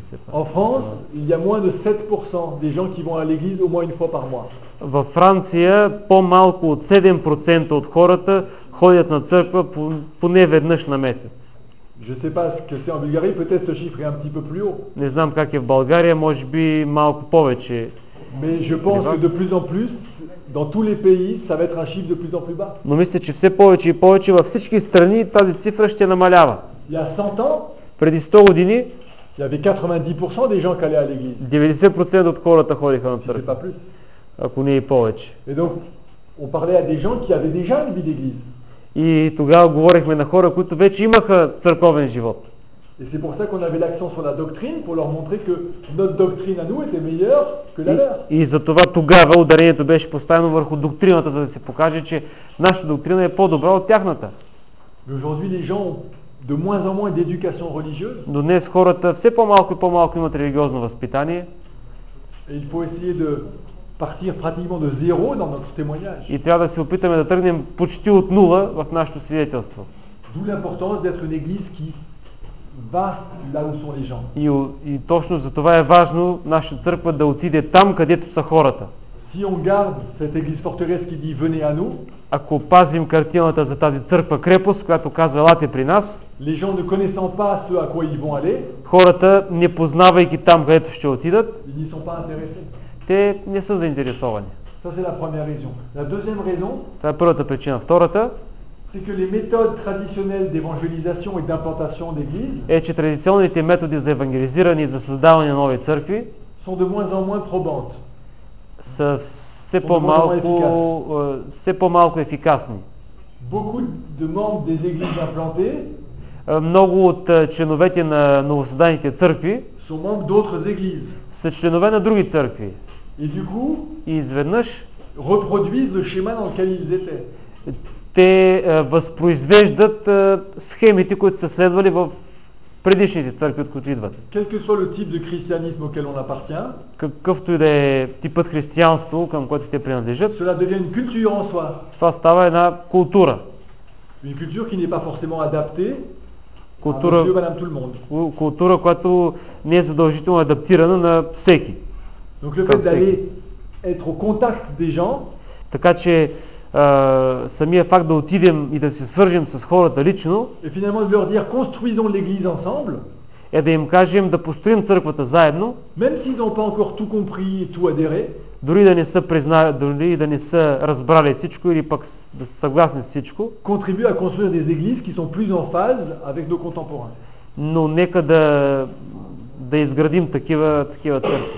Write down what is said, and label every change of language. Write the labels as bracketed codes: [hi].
[fr] En France, il y a moins de 7% des gens qui vont à l'église au moins une fois par mois. [bg] В Франция по-малко от 7% от хората ходят на църква поне веднъж на месец. [fr] Je sais pas ce que c'est en Bulgarie, peut-être ce chiffre est un petit peu plus haut. [bg] Не знам как е в България, може би малко повече. [fr] Mais je pense que de plus en plus dans tous les pays, ça va être un chiffre de plus en plus bas. [bg] Но мисля, че все повече и повече във всички страни тази цифра ще намалява. [fr] Il y a 100 ans, [bg] преди 100 години, [fr] il y avait 90% des gens qui allaient à l'église. [bg] 90% от хората ходиха на църква. [fr] Si c'est pas plus. [bg] Ако не и повече. [fr] Et donc, on parlait à des gens qui avaient déjà une vie d'église. [bg] И тогава говорихме на хора, които вече имаха църковен живот. [fr] Et c'est pour ça qu'on avait l'accent sur la doctrine pour leur montrer que notre doctrine à nous était meilleure que la leur. [bg] И затова тогава ударението беше поставено върху доктрината, за да се покаже, че нашата доктрина е по-добра от тяхната. [fr] Mais aujourd'hui les gens ont de moins en moins d'éducation religieuse. [bg] Днес хората все по-малко и по-малко имат религиозно възпитание. [fr] Et il faut essayer de partir pratiquement de zéro dans notre témoignage. [bg] И трябва да се опитаме да тръгнем почти от нула в нашето свидетелство. [fr] D'où l'importance d'être une église qui va là où sont les gens. [bg] И точно за това е важно наша църква да отиде там, където са хората. [fr] Si on garde cette église forteresse qui dit venez à nous. [bg] Ако пазим картината за тази църква крепост, която казва лате при нас. [fr] Les gens ne connaissant pas ce à quoi ils vont aller. [bg] Хората, не познавайки там, където ще отидат. [fr] Ils n'y sont pas intéressés. [bg] Те не са заинтересовани. [fr] Ça, c'est la première raison. La deuxième raison, [bg] това е първата причина. Втората, [fr] c'est que les méthodes traditionnelles d'évangélisation et d'implantation d'église, [bg] е, че традиционните методи за евангелизиране и за създаване на нови църкви [fr] sont de moins en moins probantes. [bg] Са все по-малко, все по-малко ефикасни. [fr] Beaucoup de membres des églises implantées, [bg] много от членовете на новосъздадените църкви [fr] sont membres d'autres églises. [bg] Са членове на други църкви. [fr] Et du coup, [bg] и изведнъж [fr] reproduisent le schéma dans lequel ils étaient. [bg] Те възпроизвеждат схемите, които са следвали в предишните църкви, от които идват. [fr] Quel que soit le type de christianisme auquel on appartient, [bg] какъвто и да е типът християнство, към което те принадлежат, [fr] cela devient une culture en soi. [bg] Това става една култура. [fr] Une culture qui n'est pas forcément adaptée. [bg] Култура, култура, която не е задължително адаптирана на всеки. [fr] Donc le fait d'aller être au contact des gens, [bg] така че самия факт да отидем и да се свържем с хората лично, [fr] et finalement de leur dire construisons l'église ensemble, [bg] е да им кажем да построим църквата заедно, [fr] même s'ils n'ont pas encore tout compris et tout adhéré, [bg] дори да не са признали, дори да не са разбрали всичко или пък да са съгласни с всичко, [fr] contribue à construire des églises qui sont plus en phase avec nos contemporains. [bg] Но нека да изградим такива църкви.